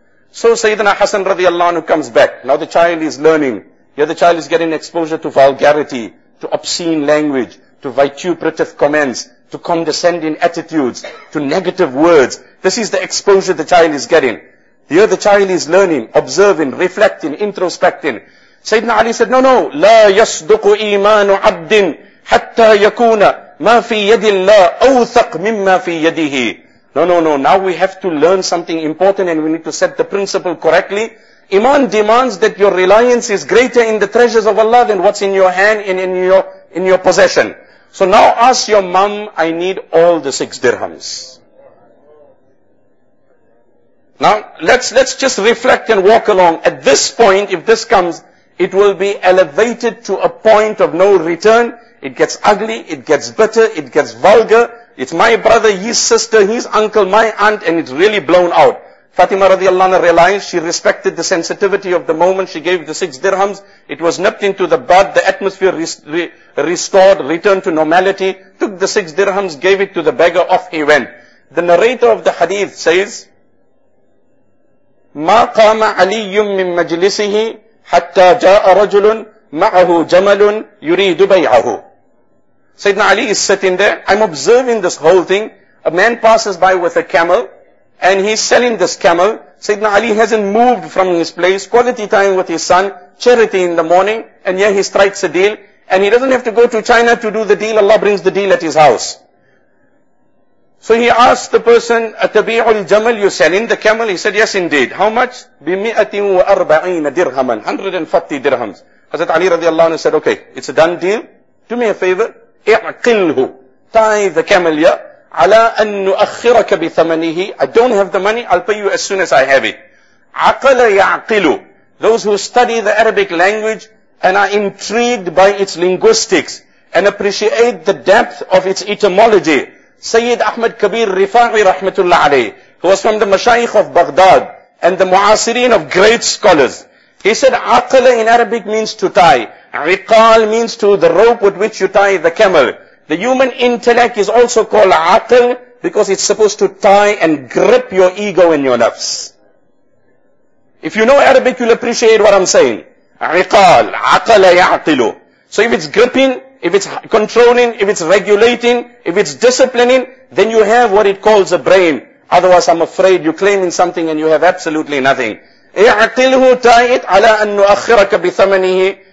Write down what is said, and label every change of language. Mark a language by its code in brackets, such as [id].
[en] So Sayyidina Hassan radiallahu anhu comes back. Now the child is learning. Here the child is getting exposure to vulgarity, to obscene language, to vituperative comments, to condescending attitudes, to negative words. This is the exposure the child is getting. Here the child is learning, observing, reflecting, introspecting. Sayyidina Ali said, no, no, [ar] لا يصدق إيمان عبد حتى يكون ما في يد الله أوثق مما في يده. [en] No, no, no, now we have to learn something important and we need to set the principle correctly. Iman demands that your reliance is greater in the treasures of Allah than what's in your hand and in your possession. So now ask your mom, I need all the 6 dirhams. Now, let's just reflect and walk along. At this point, if this comes, it will be elevated to a point of no return. It gets ugly, it gets bitter, it gets vulgar. It's my brother, his sister, his uncle, my aunt, and it's really blown out. Fatima radiallahu anha realized, she respected the sensitivity of the moment, she gave the 6 dirhams, it was nipped into the bud, the atmosphere restored, returned to normality, took the 6 dirhams, gave it to the beggar, off he went. The narrator of the hadith says, [ar] مَا قَامَ عَلِيٌّ مِّن مَجْلِسِهِ حَتَّى جَاءَ رَجُلٌ مَعَهُ جَمَلٌ يُرِيدُ بَيْعَهُ. [en] Sayyidina Ali is sitting there, I'm observing this whole thing, a man passes by with a camel, and he's selling this camel. Sayyidina Ali hasn't moved from his place, quality time with his son, charity in the morning, and yet he strikes a deal, and he doesn't have to go to China to do the deal, Allah brings the deal at his house. So he asked the person, [ar] أَتَبِيعُ الْجَمَلِ [en] you're selling the camel? He said, yes indeed. How much? [ar] بِمِئَةٍ وَأَرْبَعِينَ دِرْهَمًا [en] 140 dirhams. Hazrat Ali radiallahu anhu said, okay, it's a done deal, do me a favor, [ar] اعقله. [en] Tie the camel here. [ar] على أن نؤخرك بثمنه. [en] I don't have the money, I'll pay you as soon as I have it. [ar] عقل يعقل. [en] Those who study the Arabic language and are intrigued by its linguistics and appreciate the depth of its etymology. Sayyid Ahmad Kabir Rifa'i rahmatullah alayhi, who was from the Mashaykh of Baghdad and the Muasireen of great scholars. He said, عقل in Arabic means to tie. عقال means to the rope with which you tie the camel. The human intellect is also called aql because it's supposed to tie and grip your ego and your nafs. If you know Arabic, you'll appreciate what I'm saying. [ar] عقال, عقل يعقل. [en] So if it's gripping, if it's controlling, if it's regulating, if it's disciplining, then you have what it calls a brain. Otherwise, I'm afraid you're claiming something and you have absolutely nothing. [ar] اعقله, [en] tie it [ar] على أن نؤخرك بثمنه.